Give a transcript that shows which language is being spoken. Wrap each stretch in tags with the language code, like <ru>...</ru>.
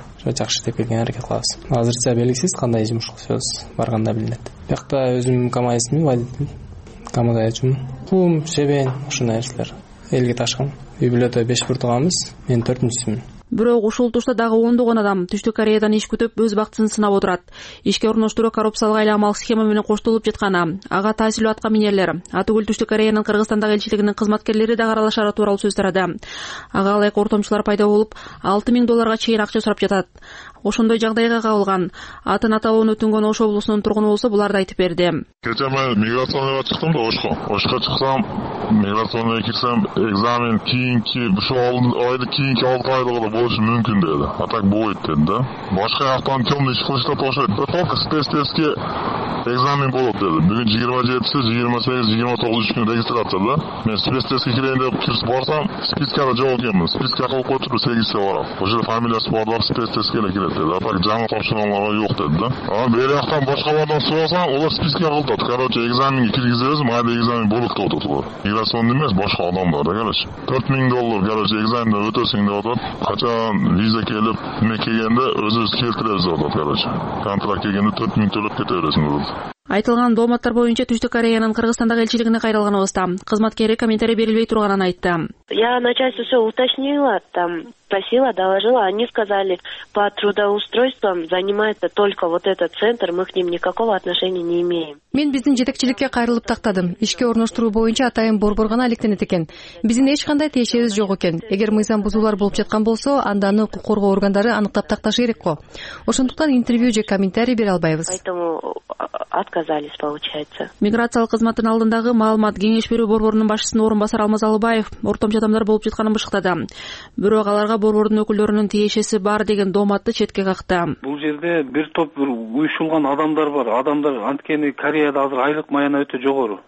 <ky>Ошо жакшы деп келген аракет кылабыз. Азырча белгисиз кандай жумуш кылсабыз, барганда билинет. Бияқта өзүм КАМАЗ-мин, водитель. КАМАЗ-да жумуш. Кум, шебен, ушул нерселер. Элге ташкан. Үй бүлөдө 5 буртугабыз, мен 4-сүмүн. Бирок ушул тушта дагы ондогон адам Түштүк Кореядан иш күтүп өз бактысын сынап отурат. Ишке орноштуруу коррупциялык айла амал схема менен коштолуп жатканы, ага таасирлүү аткан минерлер, атүгүл Түштүк Кореянын Кыргызстандагы элчилигинин кызматкерлери да аралашары тууралуу сөз тарады. Ага алайык ортомчулар пайда болуп, 6000 долларга чейин акча сурап жатат. Ошондой жагдайга кабылган атын аталууну өтүнгөн Ош облусунун тургуну болсо буларды айтып берди. Кече мен миграцияга чыктым да Ошко. Ошко чыксам, миграцияга кирсем, экзамен кийинки, ушул айды кийинки алып койду да болушу мүмкүн деди. А так болбойт деди да. Башка жактан темный иш кылышты атышат. Только спецтестке экзамен болот деди. Бүгүн 27-си, 28, 29 күн регистрация да. Мен спецтестке кирейин деп кирип барсам, спискада жок экенмин. Списка кылып койчу, 8 се барам. Ошол фамилиясы барлар спецтестке келет деди. А так жаңы тапшырмаларга жок деди да. Анан бери жактан башкалардан сурасаң, алар списке кылтат. Короче, экзаменге киргизебиз, майда экзамен болот деп атат алар. Миграциондун эмес, башка адамдар да, короче. 4000 доллар, короче, экзаменде өтөсүң деп атат. Качан виза келип, эме келгенде өзүбүз келтиребиз деп атат, короче. Контракт келгенде 4000 төлөп кете бересиң деп атат. Айтылган дооматтар боюнча Түштүк Кореянын Кыргызстандагы элчилигине кайрылганыбызда кызматкери комментарий берилбей турганын айтты.</ky> <ru>Я начальству все уточнила, там спросила, доложила, они сказали, по трудоустройствам занимается только вот этот центр, мы к ним никакого отношения не имеем.</ru> <ky>Мен биздин жетекчиликке кайрылып тактадым. Ишке орноштуруу боюнча атайын борбор гана иликтенет экен. Биздин эч кандай тиешебиз жок экен. Эгер мыйзам бузуулар болуп жаткан болсо, анда аны укук коргоо органдары аныктап такташы керек го. Ошондуктан интервью же комментарий бере албайбыз.</ky> <ru>Поэтому отказались, получается.</ru> <ky>Миграциялык кызматтын алдындагы маалымат кеңеш берүү борборунун башчысынын орун басары Алмаз Албаев ортомчу адамдар болуп жатканын бышыктады. Бирок аларга борбордун өкүлдөрүнүн тиешеси бар деген дооматты четке какты. Бул жерде бир топ уюшулган адамдар бар. Адамдар анткени Кореяда азыр айлык маяна өтө жогору.</ky>